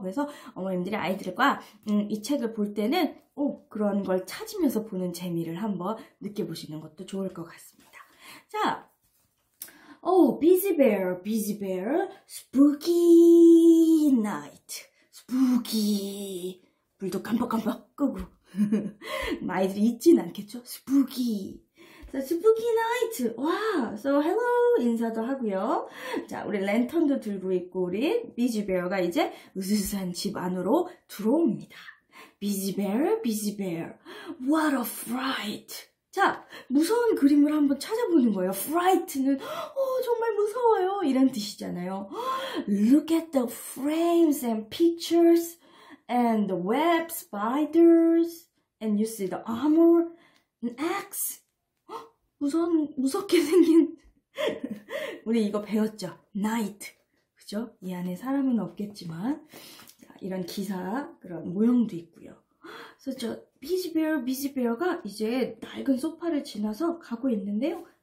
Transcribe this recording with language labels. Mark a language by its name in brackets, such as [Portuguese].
[Korean] 그래서 어머님들이 아이들과 이 책을 볼 때는 그런 걸 찾으면서 보는 재미를 한번 느껴보시는 것도 좋을 것 같습니다. 자, busy bear, spooky night, spooky, 불도 깜빡깜빡 끄고, 아이들이 잊진 않겠죠? [English] spooky, so, spooky night, 와, so hello [Korean] 인사도 하고요. 자, 우리 랜턴도 들고 있고, 우리 busy bear가 이제 으스스한 집 안으로 들어옵니다. [English] busy bear, what a fright. [Korean] 자, 무서운 그림을 한번 찾아보는 거예요. Fright는 정말 무서워요. 이런 뜻이잖아요. [English] Look at the frames and pictures and the web spiders and you see the armor and axe. [Korean] 무섭게 생긴 우리 이거 배웠죠? Night. 그죠? 이 안에 사람은 없겠지만 자, 이런 기사 그런 모형도 있고요. So, 저 비지베어가 이제 낡은 소파를 지나서 가고 있는데요.